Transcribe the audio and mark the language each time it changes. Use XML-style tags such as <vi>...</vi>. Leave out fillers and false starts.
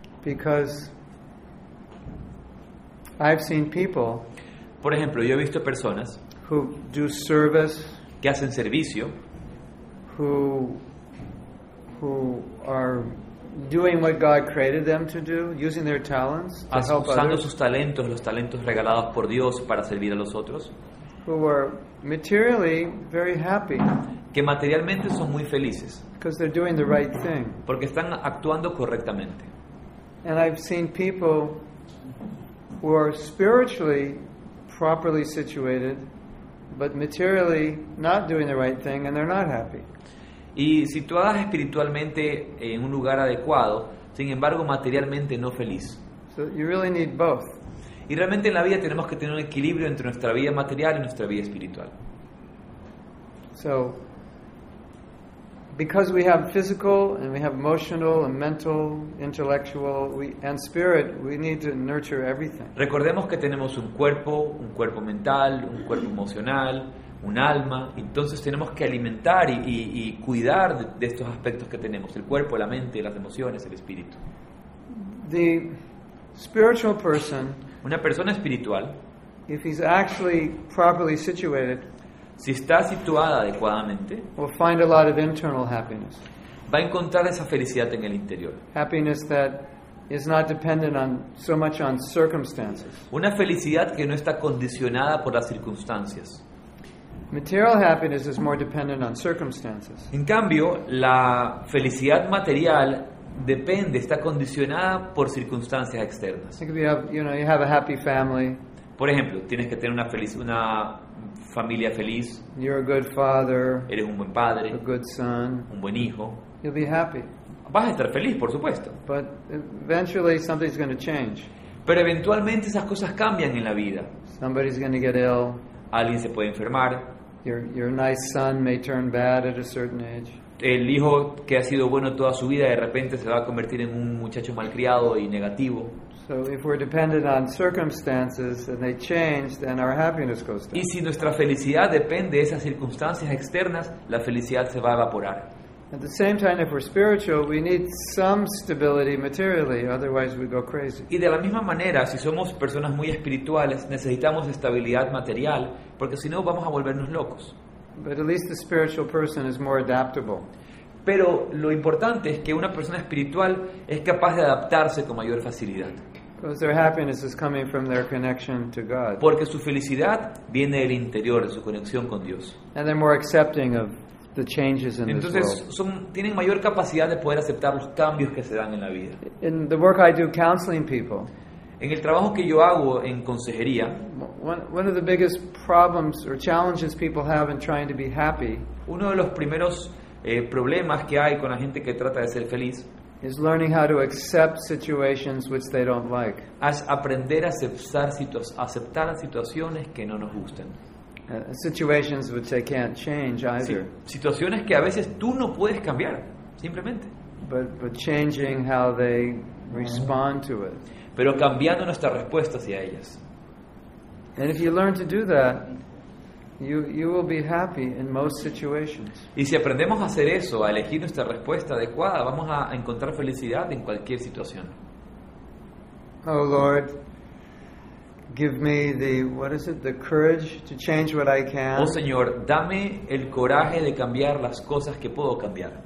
<en>Because I've seen people.</en> <es>Por ejemplo, yo he visto personas</es> <en>who do service.</en> <es>Que hacen servicio.</es> <en>Who are doing what God created them to do, using their talents to help others.</en> <es>Usando sus talentos, los talentos regalados por Dios para servir a los otros.</es> <en>Who are materially very happy.</en> <es>Que materialmente son muy felices.</es> <en>Because they're doing the right thing.</en> <es>Porque están actuando correctamente.</es> <en>And I've seen people who are spiritually properly situated, but materially not doing the right thing, and they're not happy.</en> <es>Y situadas espiritualmente en un lugar adecuado, sin embargo, materialmente no feliz.</es> <en>So you really need both.</en> <es>Y realmente en la vida tenemos que tener un equilibrio entre nuestra vida material y nuestra vida espiritual.</es> <en>So. Because we have physical and we have emotional and mental, intellectual, and spirit, we need to nurture everything.</en> <es>Recordemos que tenemos un cuerpo mental, un cuerpo emocional, un alma. Entonces tenemos que alimentar y cuidar de estos aspectos que tenemos: el cuerpo, la mente, las emociones, el espíritu.</es> <en>The spiritual person,</en> <es>una persona espiritual,</es> <en>if he's actually properly situated.</en> <es>Si está situada adecuadamente,</es> <en>we'll find a lot of internal happiness.</en> <es>Va a encontrar esa felicidad en el interior.</es> <en>Happiness that is not dependent on so much on circumstances.</en> <es>Una felicidad que no está condicionada por las circunstancias.</es> <en>Material happiness is more dependent on circumstances.</en> <es>En cambio, la felicidad material depende, está condicionada por circunstancias externas.</es> <en>Like if you have, you know, you have a happy family.</en> <es>Por ejemplo, tienes que tener una feliz, una familia feliz.</es> <en>You're a good father.</en> <es>Eres un buen padre.</es> <en>A good son.</en> <es>Un buen hijo.</es> <en>You'll be happy.</en> <es>Vas a estar feliz, por supuesto.</es> <en>But eventually something's going to change.</en> <es>Pero eventualmente esas cosas cambian en la vida.</es> <en>Somebody's going to get ill.</en> <es>Alguien se puede enfermar.</es> <en>Your nice son may turn bad at a certain age.</en> <es>El hijo que ha sido bueno toda su vida de repente se va a convertir en un muchacho malcriado y negativo.</es> <en>So if we're dependent on circumstances and they change, then our happiness goes down.</en> <es>Y si nuestra felicidad depende de esas circunstancias externas, la felicidad se va a evaporar.</es> <en>At the same time, if we're spiritual, we need some stability materially, otherwise we go crazy.</en> <es>Y de la misma manera, si somos personas muy espirituales, necesitamos estabilidad material, porque si no vamos a volvernos locos.</es> <en>But at least the spiritual person is more adaptable.</en> <es>Pero lo importante es que una persona espiritual es capaz de adaptarse con mayor facilidad.</es> <en>Because their happiness is coming from their connection to God.</en> <es>Porque su felicidad viene del interior, de su conexión con Dios.</es> <en>And they're more accepting of the changes in</en> <es>entonces,</es> <en>this world.</en> <es>Entonces, tienen mayor capacidad de poder aceptar los cambios que se dan en la vida.</es> <en>In the work I do counseling people.</en> <es>En el trabajo que yo hago en consejería,</es> <en>one of the biggest problems or challenges people have in trying to be happy.</en> <es>Uno de los primeros problemas que hay con la gente que trata de ser feliz</es> <en>is learning how to accept situations which they don't like.</en> <es>Es aprender a aceptar situaciones que no nos gustan.</es> <en>Situations which they can't change either.</en> <es>Sí, situaciones que a veces tú no puedes cambiar, simplemente.</es> <en>But changing how they respond to it.</en> <es>Pero cambiando nuestra respuesta hacia ellas.</es> <en>And if you learn to do that, you will be happy in most situations.</en> <es>Y si aprendemos a hacer eso, a elegir nuestra respuesta adecuada, vamos a encontrar felicidad en cualquier situación.</es> <en>Oh Lord, give me the, what is it, the courage to change what I can.</en> <es>Oh Señor, dame el coraje de cambiar las cosas que puedo cambiar.</es>